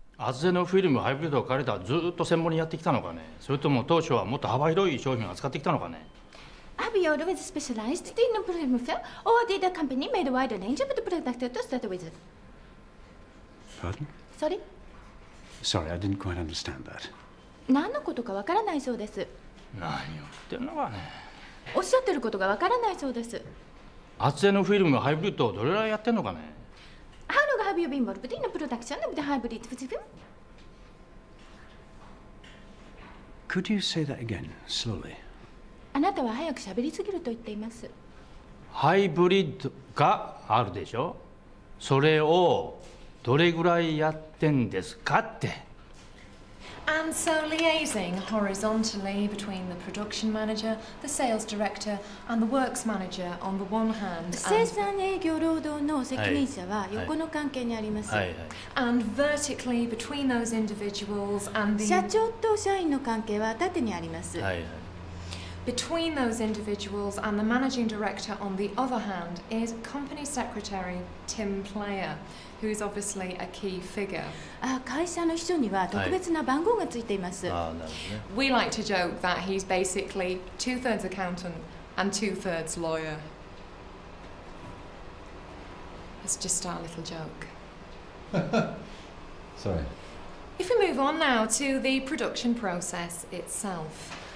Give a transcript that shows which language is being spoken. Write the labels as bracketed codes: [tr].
[ja] 厚手のフィルムハイブリッドを借りたずっと専門にやってきたのかね、それとも当初はもっと幅広い商品を扱ってきたのかね。 [en] Abiodo is specialized in the film fill, or did the company made a wider range of the product to start with? Pardon? Sorry? Sorry, I didn't quite understand that. [ja] 何のことかわからないそうです。何を言ってるのかね。おっしゃってることがわからないそうです。厚手のフィルムハイブリッドをどれくらいやってんのかね。 [en] How long have you been involved in the production of the hybrid film? Could you say that again, slowly? [ja] あなたは早く喋りすぎると言っています。ハイブリッドがあるでしょ。それをどれぐらいやってんですかって。 [en] And so liaising horizontally between the production manager, the sales director, and the works manager on the one hand. [ja] 生産営業労働の責任者は横の関係にあります。はいはい、 [en] and vertically between those individuals and the [ja] 社長と社員の関係は縦にあります。はいはい、 [en] between those individuals and the managing director on the other hand is company secretary Tim Player. Who is obviously a key figure. [ja] Ah, 会社の秘書には特別な番号がついています。ああ、なるほどね。 [en] We like to joke that he's basically two-thirds accountant and two-thirds lawyer. It's just our little joke. Sorry. If we move on now to the production process itself.